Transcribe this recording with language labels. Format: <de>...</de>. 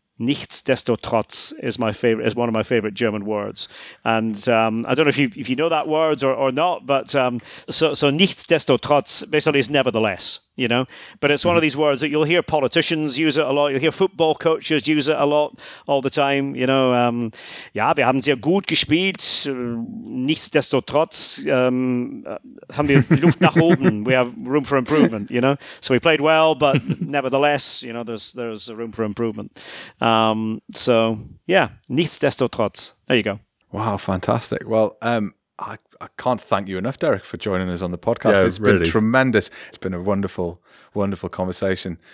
<en>Nichtsdestotrotz is one of my favorite German words. And I don't know if you know that word or not, but so nichtsdestotrotz basically is nevertheless, you know. But it's one of these words that you'll hear politicians use it a lot. You'll hear football coaches use it a lot all the time, you know.</en> <de>Wir haben sehr gut gespielt. Nichtsdestotrotz haben wir Luft nach oben.</de> <en>We have room for improvement, you know. So we played well, but nevertheless, you know, there's room for improvement. Nichtsdestotrotz. There you go. Wow, fantastic. Well, I can't thank you enough, Derek, for joining us on the podcast. Yeah, it's been tremendous. It's been a wonderful, wonderful conversation.</en>